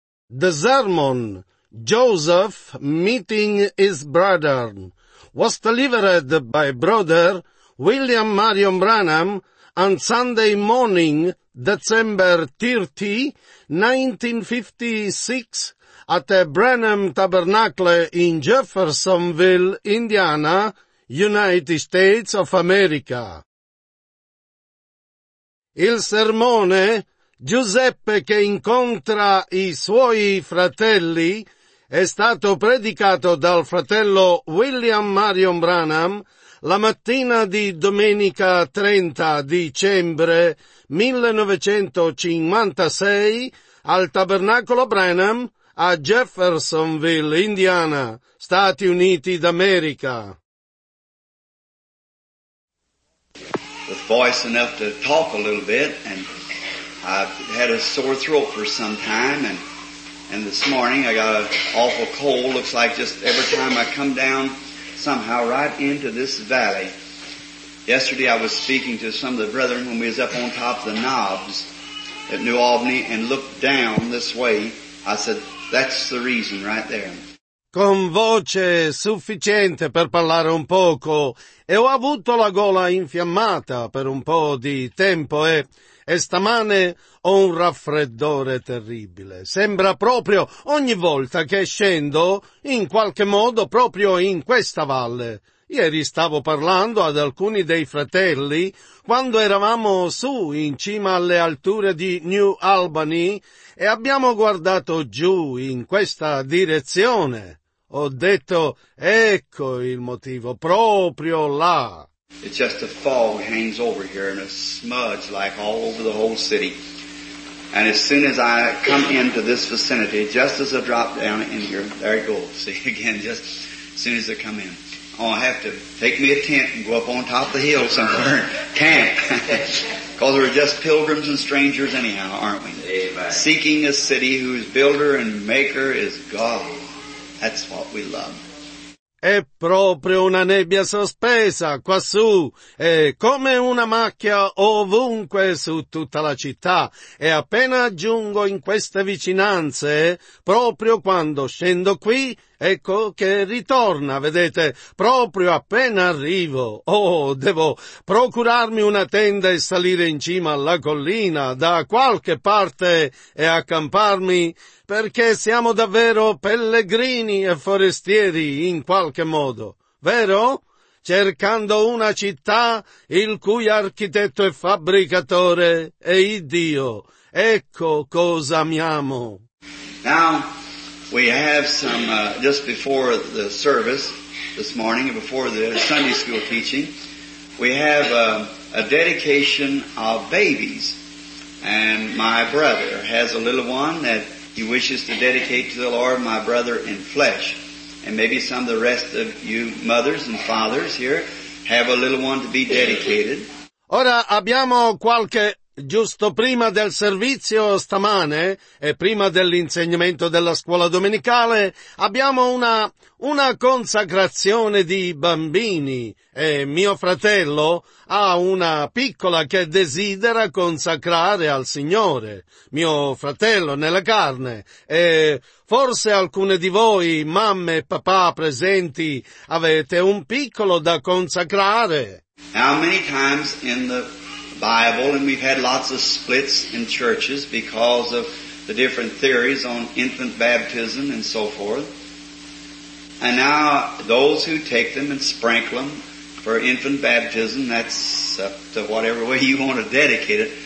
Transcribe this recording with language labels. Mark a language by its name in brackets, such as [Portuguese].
[English] The sermon, Joseph meeting his brother, was delivered by Brother William Marion Branham on Sunday morning, December 30, 1956, at the Branham Tabernacle in Jeffersonville, Indiana, United States of America. [Italian] Il sermone, Giuseppe che incontra i suoi fratelli, è stato predicato dal fratello William Marion Branham la mattina di domenica 30 dicembre 1956 al Tabernacolo Branham a Jeffersonville, Indiana, Stati Uniti d'America. [English] With voice enough to talk a little bit, and I've had a sore throat for some time, and this morning I got an awful cold. Looks like just every time I come down, somehow right into this valley. Yesterday I was speaking to some of the brethren when we was up on top of the knobs at New Albany and looked down this way. I said, that's the reason right there. [Italian] Con voce sufficiente per parlare un poco, e ho avuto la gola infiammata per un po' di tempo, e stamane ho un raffreddore terribile. Sembra proprio ogni volta che scendo, in qualche modo, proprio in questa valle. Ieri stavo parlando ad alcuni dei fratelli, quando eravamo su, in cima alle alture di New Albany, e abbiamo guardato giù, in questa direzione. Ho detto, ecco il motivo, proprio là. [English] It's just a fog hangs over here and a smudge like all over the whole city. And as soon as I come into this vicinity, just as I drop down in here, there it goes. See, again, just as soon as I come in. Oh, I have to take me a tent and go up on top of the hill somewhere and camp. Because we're just pilgrims and strangers anyhow, aren't we? Amen. Seeking a city whose builder and maker is God. That's what we love. [Italian] È proprio una nebbia sospesa quassù, è come una macchia ovunque su tutta la città, e appena giungo in queste vicinanze, proprio quando scendo qui, ecco che ritorna, vedete, proprio appena arrivo. Oh, devo procurarmi una tenda e salire in cima alla collina, da qualche parte, e accamparmi, perché siamo davvero pellegrini e forestieri in qualche modo, vero? Cercando una città il cui architetto e fabbricatore è Dio. Ecco cosa amiamo. [English] Now, we have some, just before the service this morning, before the Sunday school teaching, we have a dedication of babies. And my brother has a little one that he wishes to dedicate to the Lord, my brother in flesh. And maybe some of the rest of you mothers and fathers here have a little one to be dedicated. [Italian] Ora abbiamo qualche... Giusto prima del servizio stamane e prima dell'insegnamento della scuola domenicale abbiamo una consacrazione di bambini e mio fratello ha una piccola che desidera consacrare al Signore, mio fratello nella carne, e forse alcune di voi, mamme e papà presenti, avete un piccolo da consacrare. [English] How many times in the Bible, and we've had lots of splits in churches because of the different theories on infant baptism and so forth. And now those who take them and sprinkle them for infant baptism, that's up to whatever way you want to dedicate it.